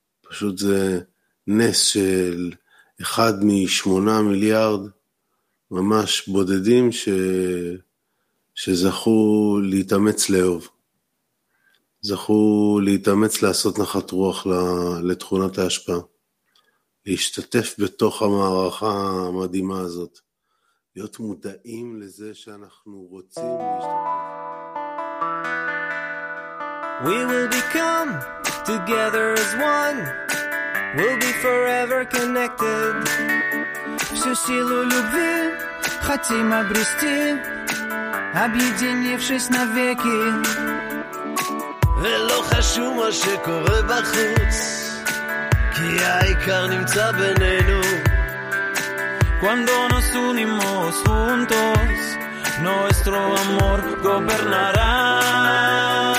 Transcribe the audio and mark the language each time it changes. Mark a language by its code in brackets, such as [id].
[he] פשוט זה נס של אחד משמונה מיליארד, ממש בודדים שזכו להתאמץ לאהוב, זכו להתאמץ לעשות נחת רוח לתכונת ההשפעה, להשתתף בתוך המערכה המדהימה הזאת, להיות מודעים לזה שאנחנו רוצים להשתתף. [en] We will become together as one, we'll be forever connected. [ru] Всю любви хотим обрести, объединившись навеки. [he] ולא חשוב מה שקורה בחוץ, כי העיקר נמצא בינינו. [es] Cuando nos unimos juntos, nuestro amor gobernará.